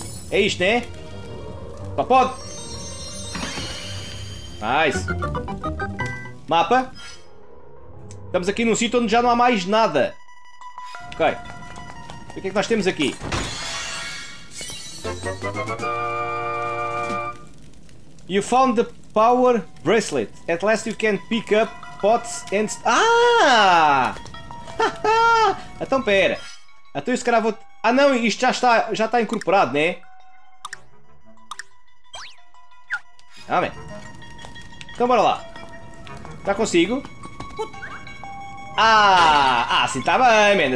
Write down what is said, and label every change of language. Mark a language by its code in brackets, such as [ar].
[pt] É isto, né? Só pode. Nice. Mapa. Estamos aqui num sítio onde já não há mais nada. Ok. E o que é que nós temos aqui? [en] You found the power bracelet. At last you can pick up pots and... [pt] Ah! Então pera. Então eu se calhar vou... Ah não, isto já está incorporado, né? Ah, man. Então bora lá. Já consigo. Ah, assim está bem, man.